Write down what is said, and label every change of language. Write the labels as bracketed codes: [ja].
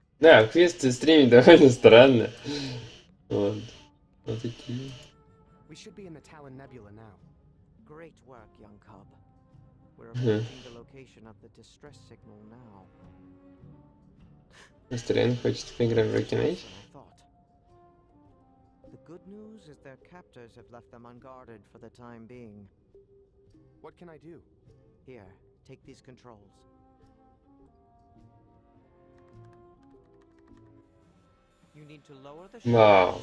[ru] Да, квесты стримить довольно странно. Вот. Вот такие. [en] We should be in the Talon Nebula now. Great work, young cub. We're approaching the location of the distress signal now. [ru] Мистер Энн хочет поиграть в Рокинейдж. [en] The good news is their captors have left them unguarded for the time being. What can I do? Here, take these controls. You need to lower the ship wow.